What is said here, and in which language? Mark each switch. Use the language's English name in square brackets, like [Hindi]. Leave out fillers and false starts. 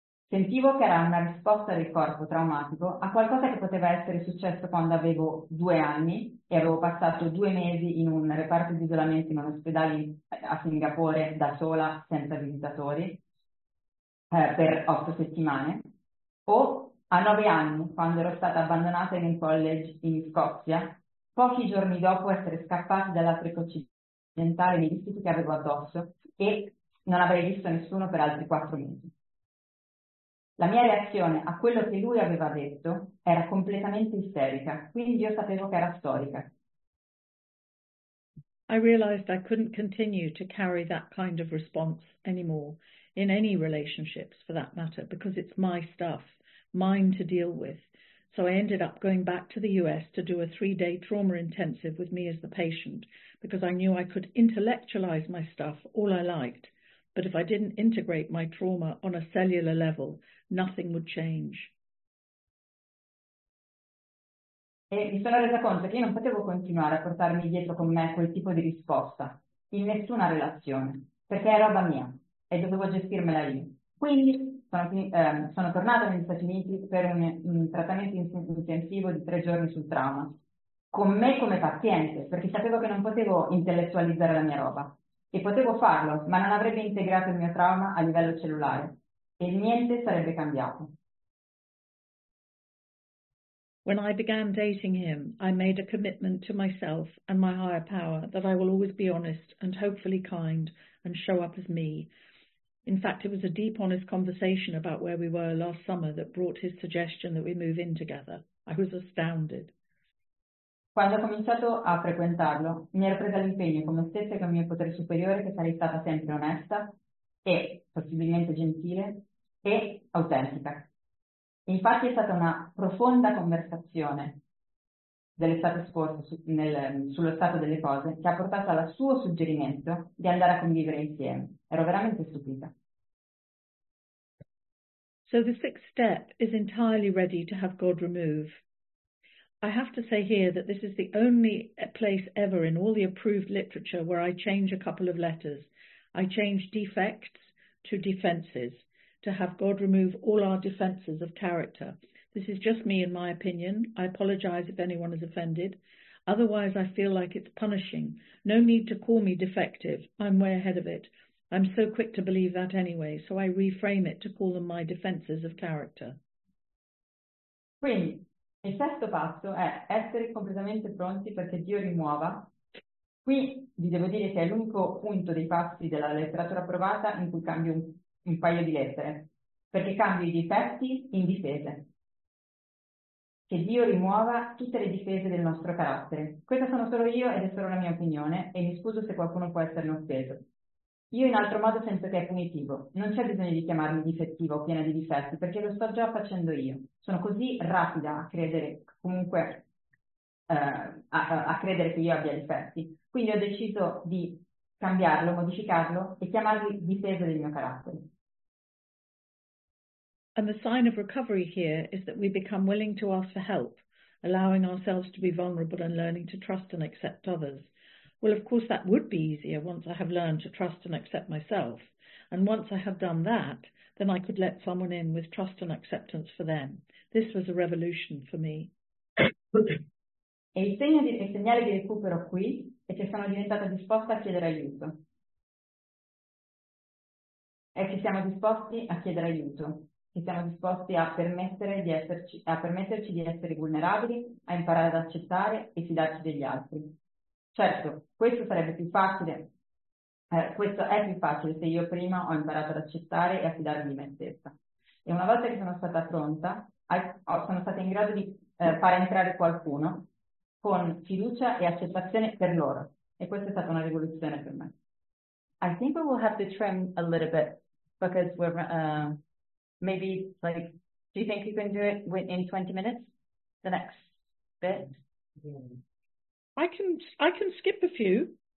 [Italian] Sentivo che era una risposta del corpo traumatico a qualcosa che poteva essere successo quando avevo 2 anni e avevo passato 2 mesi in un reparto di isolamento in un ospedale a Singapore da sola, senza visitatori, per 8 settimane, o a 9 anni, quando ero stata abbandonata in un college in Scozia, pochi giorni dopo essere scappata dall'Africa occidentale nei vestiti che avevo addosso e non avrei visto nessuno per altri 4 mesi. La mia reazione a quello che lui aveva detto era completamente isterica, quindi io sapevo che era storica. [English] I realized I couldn't continue to carry that kind of response anymore, in any relationships for that matter, because it's my stuff, mine to deal with. So I ended up going back to the US to do a 3-day trauma intensive with me as the patient, because I knew I could intellectualize my stuff all I liked. But if I didn't integrate my trauma on a cellular level, nothing would change. [Italian] E mi sono resa conto che io non potevo continuare a portarmi dietro con me quel tipo di risposta in nessuna relazione, perché è roba mia e dovevo gestirmela lì. Quindi sono tornata negli Stati Uniti per un trattamento intensivo di 3 giorni sul trauma, con me come paziente, perché sapevo che non potevo intellettualizzare la mia roba. E potevo farlo, ma non avrebbe integrato il mio trauma a livello cellulare e niente sarebbe cambiato. [English] When I began dating him, I made a commitment to myself and my higher power that I will always be honest and hopefully kind and show up as me. In fact, it was a deep, honest conversation about where we were last summer that brought his suggestion that we move in together. I was astounded. [Italian] Quando ho cominciato a frequentarlo, mi ero presa l'impegno con me stessa e con il mio potere superiore che sarei stata sempre onesta e possibilmente gentile e autentica. Infatti è stata una profonda conversazione dell'estate scorsa sullo stato delle cose che ha portato al suo suggerimento di andare a convivere insieme. Ero veramente stupita. [English] So the 6th step is entirely ready to have God remove. I have to say here that this is the only place ever in all the approved literature where I change a couple of letters. I change defects to defenses. to have God remove all our defences of character. This is just me and my opinion. I apologise if anyone is offended. Otherwise, I feel like it's punishing. No need to call me defective. I'm way ahead of it. I'm so quick to believe that anyway, so I reframe it to call them my defences of character. [Italian] Quindi, il sesto passo è essere completamente pronti perché Dio rimuova. Qui vi devo dire che è l'unico punto dei passi della letteratura approvata in cui cambio un paio di lettere, perché cambio i difetti in difese. Che Dio rimuova tutte le difese del nostro carattere. Questa sono solo io ed è solo la mia opinione e mi scuso se qualcuno può esserne offeso. Io in altro modo sento che è punitivo. Non c'è bisogno di chiamarmi difettiva o piena di difetti, perché lo sto già facendo io. Sono così rapida a credere, comunque, a credere che io abbia difetti. Quindi ho deciso di cambiarlo, modificarlo e chiamarli difese del mio carattere. [English] And the sign of recovery here is that we become willing to ask for help, allowing ourselves to be vulnerable and learning to trust and accept others. Well, of course, that would be easier once I have learned to trust and accept myself. And once I have done that, then I could let someone in with trust and acceptance for them. This was a revolution for me. [Italian] E il segnale di recupero qui è che sono diventata disposta a chiedere aiuto. È che siamo disposti a chiedere aiuto. Che siamo disposti a permetterci di essere vulnerabili, a imparare ad accettare e fidarci degli altri. Certo, questo sarebbe più facile, questo è più facile se io prima ho imparato ad accettare e a fidarmi di me stessa. E una volta che sono stata pronta, sono stata in grado di far entrare qualcuno con fiducia e accettazione per loro. E questa è stata una rivoluzione per me. [English] I think we will have to trim a little bit because we're maybe like, do you think you can do it in 20 minutes, the next bit? I can skip a few.